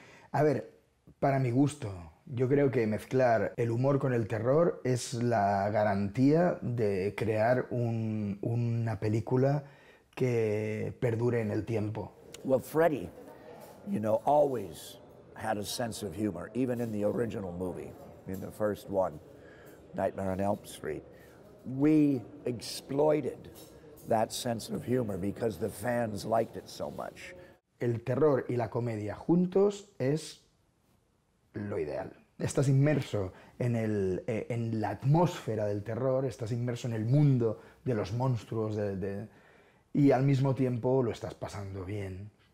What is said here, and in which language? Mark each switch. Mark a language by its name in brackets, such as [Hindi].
[Spanish] A ver, para mi gusto, yo creo que mezclar el humor con el terror es la garantía de crear una película que perdure en el tiempo. [English] Well, Freddy, you know, always had a sense of humor, even in the original movie, in the first one, Nightmare on Elm Street. We exploited that sense of humor because the fans liked it so much. [Spanish] El terror y la comedia juntos es lo ideal. Estás inmerso en la atmósfera del terror, estás inmerso en el mundo de los monstruos y al mismo tiempo lo estás pasando bien.